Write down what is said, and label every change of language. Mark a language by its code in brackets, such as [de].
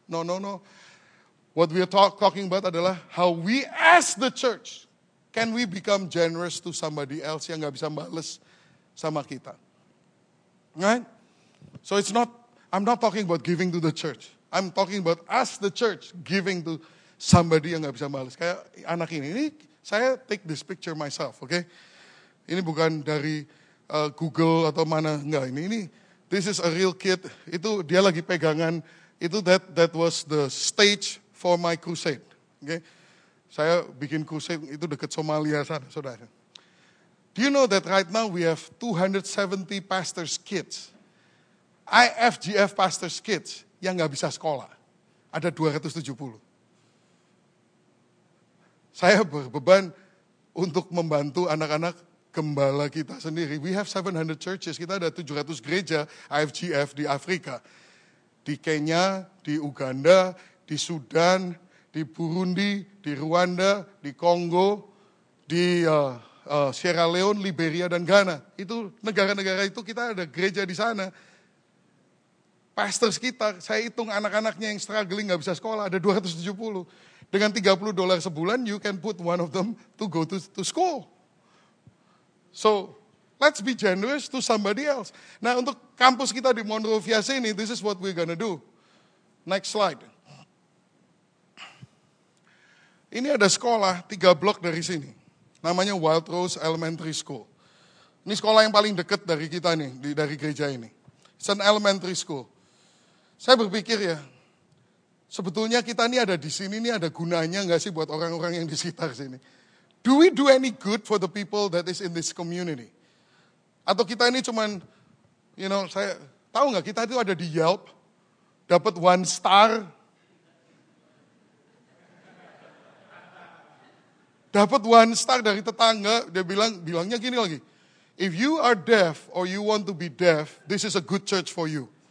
[en] No. What we are talking about adalah how we as the church, can we become generous to somebody else [id] yang gak bisa bales sama kita. [en] Right? So I'm not talking about giving to the church. I'm talking about us the church giving to somebody [id] yang gak bisa bales. Kayak anak ini. Saya [en] take this picture myself, okay? [id] Ini bukan dari Google atau mana, enggak. [en] Ini, this is a real kid. [id] Itu dia lagi pegangan. Itu [en] that was the stage for my crusade, okay? [id] Saya bikin kursus itu dekat Somalia sana, saudara. [en] Do you know that right now we have 270 pastor's kids? [id] IFGF pastor's kids yang gak bisa sekolah. Ada 270. Saya berbeban untuk membantu anak-anak gembala kita sendiri. [en] We have 700 churches, [id] kita ada 700 gereja IFGF di Afrika. Di Kenya, di Uganda, di Sudan, di Burundi, di Rwanda, di Kongo, di Sierra Leone, Liberia, dan Ghana. Itu negara-negara itu kita ada gereja di sana. Pastors kita, saya hitung anak-anaknya yang struggling, gak bisa sekolah, ada 270. Dengan $30 sebulan, [en] you can put one of them to go to school. So, let's be generous to somebody else. [id] Nah, untuk kampus kita di Monrovia sini, [en] this is what we're gonna do. Next slide. [id] Ini ada sekolah, 3 blok dari sini. Namanya Wild Rose Elementary School. Ini sekolah yang paling dekat dari kita nih, dari gereja ini. [en] It's an elementary school. [id] Saya berpikir ya, sebetulnya kita ini ada di sini, ini ada gunanya gak sih buat orang-orang yang di sekitar sini? [en] Do we do any good for the people that is in this community? [id] Atau kita ini cuman, you know, saya tahu gak kita itu ada di Yelp, dapat 1 star, dapat 1 star dari tetangga, dia bilangnya gini lagi, [en] if you are deaf or you want to be deaf, this is a good church for you.